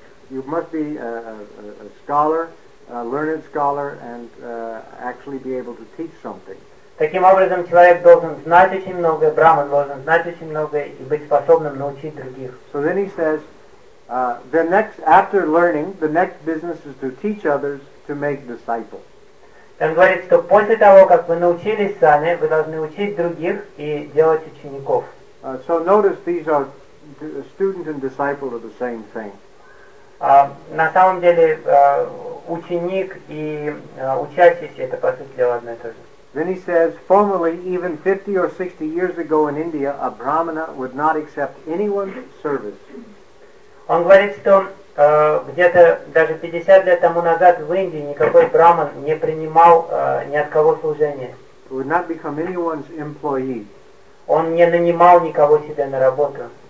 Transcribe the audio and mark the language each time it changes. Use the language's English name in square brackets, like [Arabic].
[English] You must be a scholar, a learned scholar, and actually be able to teach something. [Russian] Таким образом, человек должен знать очень много, браман должен знать очень много и быть способным научить других. [English] So then he says, the next after learning, the next business is to teach others to make disciples. [Russian] Он говорит, что после того, как вы научились сами, вы должны учить других и делать учеников. [English] So notice these are student and disciple are the same thing. [Russian] На самом деле, ученик и учащийся, это, по сути дела, одно и то же. [English] Then he says, formerly, even 50 or 60 years ago in India, a brahmana would not accept anyone's service. [Russian] Он говорит, что где-то даже 50 лет тому назад в Индии никакой браман не принимал ни от кого служения. [English] Would not become anyone's employee. [Russian] Он не нанимал никого себе на работу.